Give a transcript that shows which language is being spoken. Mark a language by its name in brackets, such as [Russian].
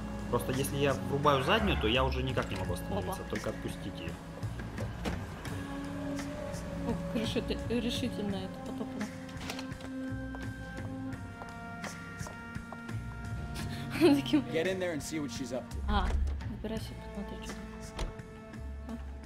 [Russian] Просто если я врубаю заднюю, то я уже никак не могу остановиться, только отпустить ее. Ох, решительно это потопло. [English] Get in there and see what she's up to. [Russian] А, выбирайся, посмотри, что там.